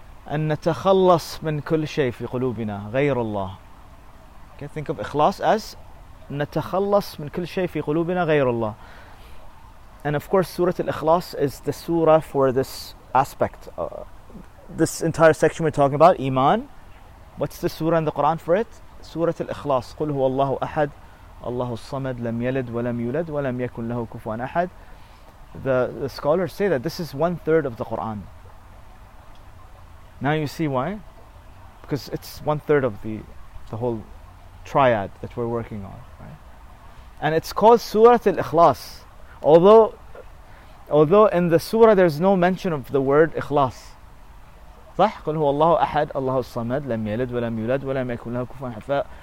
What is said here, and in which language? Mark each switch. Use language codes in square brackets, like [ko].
[ar] أن نتخلص من كل شيء في قلوبنا غير الله. [en] Okay, think of ikhlas as [ar] نتخلص من كل شيء في قلوبنا غير الله. [en] And of course Surah Al-Ikhlas is the surah for this aspect. This entire section we're talking about, Iman. What's the surah in the Quran for it? Surah Al-Ikhlas. [ar] قل هو الله أحد الله الصمد لم يلد ولم يولد ولم يكن له كفوا أحد. [en] The scholars say that this is one third of the Quran. Now you see why? Because it's one third of the whole triad that we're working on, right? And it's called Surah Al-Ikhlas. Although in the surah there's no mention of the word ikhlas. [ar] صح؟ قل هو الله أحد الله الصمد لم يلد ولم يولد ولم يكن له كفوا أحد.